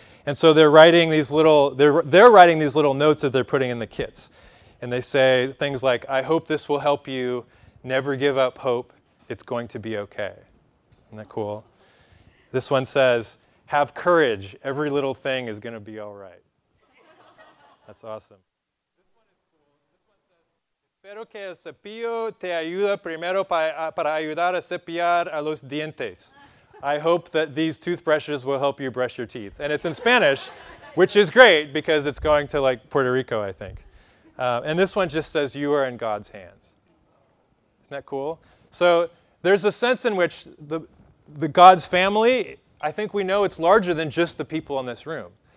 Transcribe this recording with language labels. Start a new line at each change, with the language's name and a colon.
English: And so they're writing these little notes that they're putting in the kits. And they say things like, I hope this will help you. Never give up hope. It's going to be okay. Isn't that cool? This one says, have courage. Every little thing is going to be all right. That's awesome. This one is cool. This one says,
Spanish: espero que el cepillo te ayude primero para ayudar a cepillar a los dientes.
English: I hope that these toothbrushes will help you brush your teeth. And it's in Spanish, which is great because it's going to, like, Puerto Rico, I think. And this one just says, you are in God's hands. Isn't that cool? So there's a sense in which the God's family, I think we know it's larger than just the people in this room.